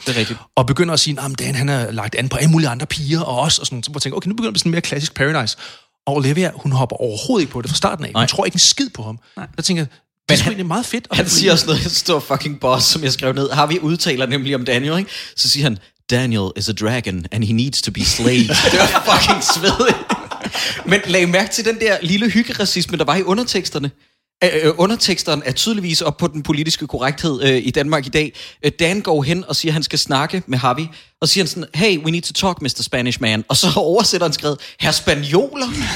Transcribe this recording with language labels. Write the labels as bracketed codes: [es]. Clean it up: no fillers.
[da] Det er rigtigt. Og begynder at sige, at Dan han har lagt an på alle mulige andre piger og os, og sådan noget. Så tænker okay, nu begynder vi sådan mere klassisk Paradise. Og Olivia, hun hopper overhovedet ikke på det fra starten af. Nej. Hun tror ikke en skid på ham. Nej. Så tænker jeg, det er sgu egentlig meget fedt. Han siger også noget, en stor fucking boss, som jeg skrev ned. Har vi udtaler nemlig om Daniel, ikke? Så siger han, [en] Daniel is a dragon, and he needs to be slayed. [da] Det var fucking svedigt. Men lag mærke til den der lille hyggeracisme, der var i underteksterne. Underteksteren er tydeligvis op på den politiske korrekthed i Danmark i dag. Dan går hen og siger, at han skal snakke med Harvey. Og siger han sådan, [en] hey, we need to talk, Mr. Spanish man. [da] Og så oversætter han skrevet, herr spanioler.